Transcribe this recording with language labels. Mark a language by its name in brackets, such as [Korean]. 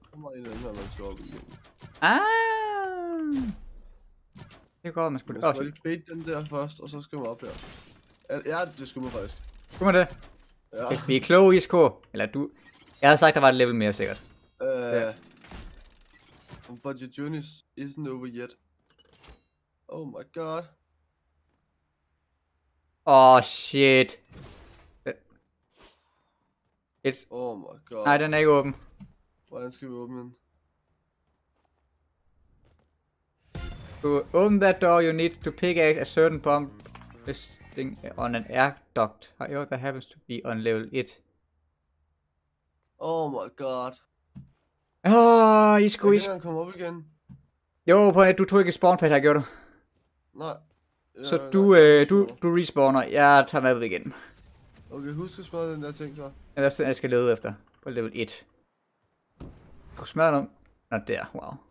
[Danish] Kommer en af dem her, man skal op igen. Ah! Det kan godt være, man skulle... Jeg skal lige bait den der først, og så skal man op her. Ja, det skal man faktisk. Skal man det? Ja. Vi er kloge, Isko. Eller du... Jeg havde sagt, der var et level mere, sikkert. [English] But your journey isn't over yet. Oh my god. Oh shit. It's... Oh my god. [Danish] Nej, den er ikke åben. Hvordan skal vi åbne den? [English] To open that door, you need to pick a certain bomb. This thing on an air duct. However, that happens to be on level 1. Oh my god. Åh, oh, Isko, [Danish] Isko. Jeg kan ikke komme op igen. Jo, på en, du tog ikke spawn pad her, gjorde du? Nej. Så nej, du respawner. Jeg tager mappet igen. Okay, husk at smadre den der ting så. Ja, det er sådan, jeg skal lede efter. På level 1. Du smadre den. Nå, der. Wow.